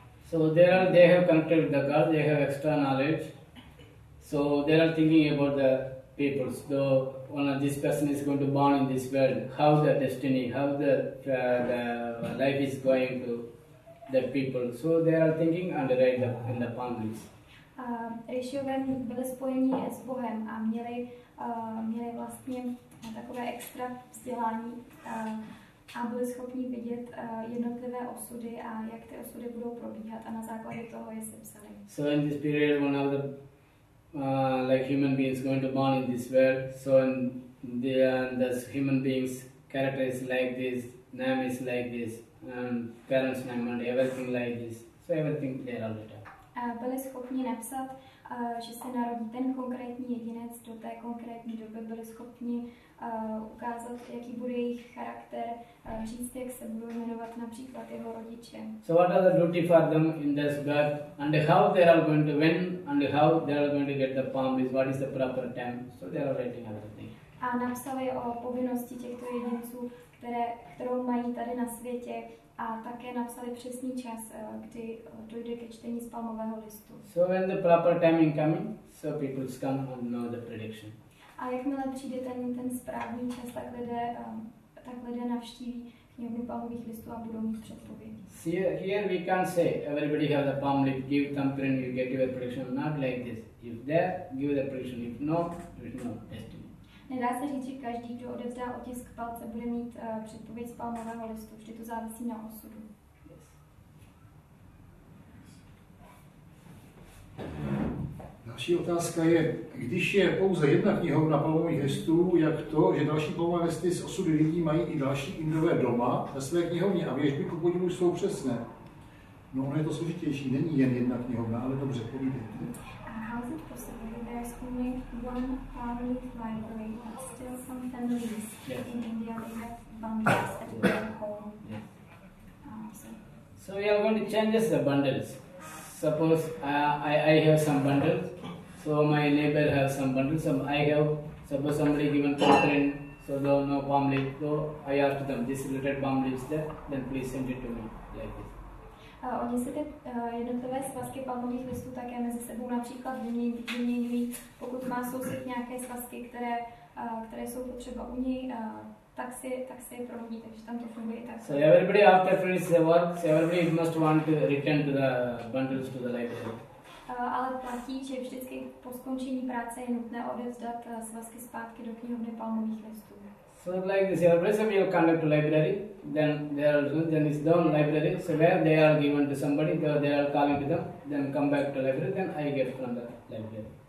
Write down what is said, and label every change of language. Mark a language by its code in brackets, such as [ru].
[en] So they have connected with the gods. They have extra knowledge. So they are thinking about the people. So one of this person is going to born in this world, how the destiny, how the life is going to the people. So they are thinking and write up in the palm leaves. [cs] Rishiové byli spojeni s Bohem a měli vlastně takové extra vzdělání a byli schopni vidět jednotlivé osudy a jak ty osudy budou probíhat a na základě toho je sepsali. [en] So in this period one of the like human beings going to born in this world, so in the this human beings character is like this, name is like this, and parents name and everything like this, so everything clear all the time. [cs] Byli schopni napsat, že se narodí ten konkrétní jedinec do té konkrétní doby, byli schopni ukázat, jaký bude jejich charakter, říct, jak se budou jmenovat například jeho rodiče. [en] So what are the duty for them in this birth and how they are going to win and how they are going to get the palm is what is the proper time, so they are writing everything. [cs] A napsali o povinnosti těchto jedinců, kterou mají tady na světě, a také napsali přesný čas, kdy dojde ke čtení z palmového listu. [en] So when the proper timing coming, so people come and know the prediction. [cs] A jakmile přijde ten správný čas, tak lidé navštíví knihovnu palmových listů a budou mít předpověď. [en] Here we can't say everybody have the palm leaf, give thumbprint, you get your prediction. Not like this. If there, give the prediction. If no, there is no destiny. [cs] Nedá se říct, že každý, kdo odevzdá otisk palce, bude mít předpověď z palmového listu. Vždy to závisí na osudu. [en] Yes. [cs] Další otázka je, když je pouze jedna knihovna palmových listů, jak to, že další palmové listy z osudy lidí mají i další indové doma ve své knihovně a věžby ku podivu jsou přesné? No, ono je to složitější. Není jen jedna knihovna, ale dobře, povídejte. [en] How is it possible that there is only one family library but still some families yes. in India they have bundles at their home? Yes. So we are going to change the bundles. Suppose I have some bundles, so my neighbor has some bundles, so I have, suppose somebody given thumbprint, so they have no palm leaf, so I ask them, this little palm leaf is there, then please send it to me, like this. [cs] Oni se ty jednotlivé svazky palmových listů také mezi sebou například vyměňují. Pokud má soused nějaké svazky, které jsou potřeba u něj, tak si je prohodí, takže tam to funguje tak. [en] So everybody after finish the work, so everybody must want to return to the bundles to the library. [cs] Ale platí, že vždycky po skončení práce je nutné odevzdat svazky zpátky do knihovny palmových listů. [en] So like this, your resume you conduct to library, then it's down library, so where they are given to somebody, they are calling to them, then come back to library, then I get from the library.